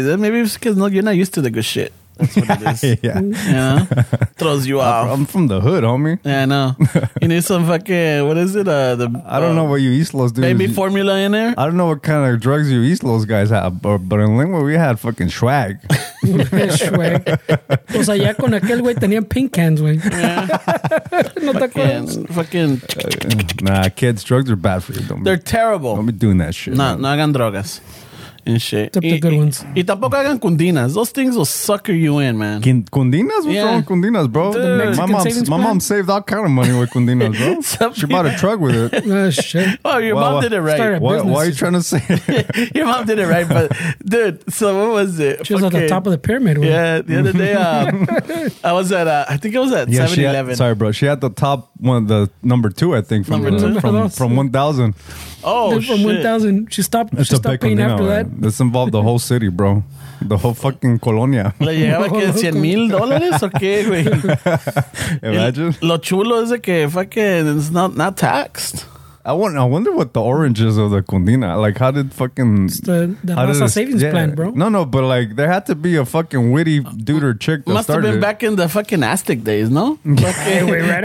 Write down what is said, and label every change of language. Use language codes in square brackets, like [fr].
[en] Maybe it's because you're not used to the good shit. That's what it is. Yeah. You know? Throws you off. I'm from the hood, homie. Yeah, I know. You need some fucking, what is it? I don't know what you East Los do. Baby formula in there? I don't know what kind of drugs you East Los guys have, but in Lingua we had fucking swag. [es] O sea, ya con aquel güey tenían [en] pink cans, [es] güey. No te acuerdas. [en] Fucking. Nah, kids, drugs are bad for you. They're terrible. Don't be doing that shit. [es] No, no hagan drogas. [en] and shit. Except the good ones. [es] Y tampoco hagan cundinas. [en] Those things will sucker you in, man. Cundinas? What's wrong with cundinas, bro? My mom saved all kind of money with cundinas, bro. She bought a truck with it. Oh, shit. Oh, your mom did it right. Why are you trying to say it? Your mom did it right, but dude, so what was it? She was at the top of the pyramid. Yeah, the other day, I was at, I think it was at 7-Eleven. Sorry, bro. She had the top one, the number two, I think, from 1,000. Oh, then from 1,000, she stopped. It's she stopped paying Cundina, after man. That. This involved the whole city, bro. The whole fucking colonia. [es] Le llegaba que 100 mil dólares o qué, güey. [en] Imagine. [es] Lo chulo es que [en] fucking it's not taxed. I wonder what the orange is of the Cundina. Like, how did fucking... It's the Masa savings plan, bro. No, but like, there had to be a fucking witty dude or chick that must started. Must have been back in the fucking Aztec days, no? Fucking okay, right